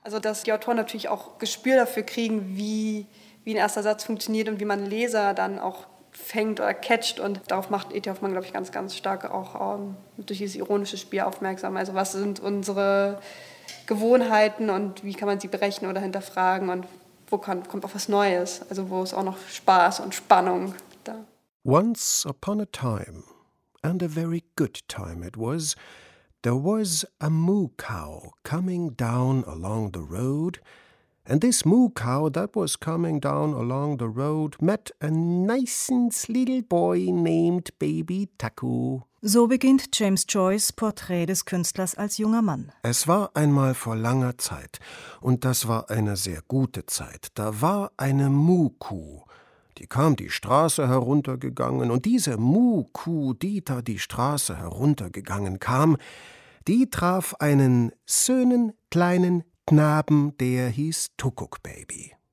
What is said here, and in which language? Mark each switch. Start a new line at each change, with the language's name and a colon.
German: Also dass die Autoren natürlich auch Gespür dafür kriegen, wie ein erster Satz funktioniert und wie man Leser dann auch fängt oder catcht. Und darauf macht E.T. Hoffmann, glaube ich, ganz, ganz stark auch durch dieses ironische Spiel aufmerksam. Also was sind unsere Gewohnheiten und wie kann man sie brechen oder hinterfragen und wo kommt auch was Neues? Also wo ist auch noch Spaß und Spannung da?
English: Once upon a time, and a very good time it was, there was a moo cow coming down along the road. And this moo cow that was coming down along the road met a nicens little boy named Baby Taku.
German: So beginnt James Joyce' Porträt des Künstlers als junger Mann. Es war einmal vor langer Zeit, und das war eine sehr gute Zeit, da war eine Muh-Kuh. Die kam die Straße heruntergegangen, und diese Muh-Kuh, die da die Straße heruntergegangen kam, die traf einen schönen kleinen Knaben, der hieß Tuckuck-Baby.